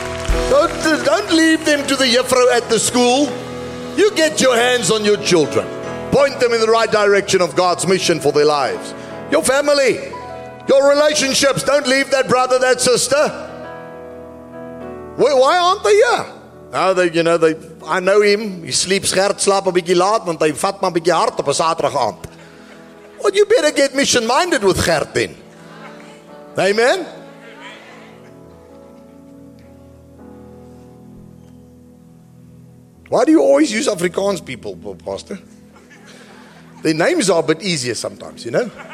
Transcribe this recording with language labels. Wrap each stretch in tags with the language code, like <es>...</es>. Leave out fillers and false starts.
<en>Don't leave them to the juffrou at the school. You get your hands on your children. Point them in the right direction of God's mission for their lives. Your family, your relationships, don't leave that brother, that sister. Why aren't they here? Oh, they, you know, they. I know him. He sleeps hard,</en> <af>slaap 'n bietjie laat, want hy vat maar 'n bietjie hard op 'n Saterdagaand.</af> <en>Well, you better get mission-minded with Gert then. Amen? Why do you always use Afrikaans people, Pastor? Their names are a bit easier sometimes, you know?</en>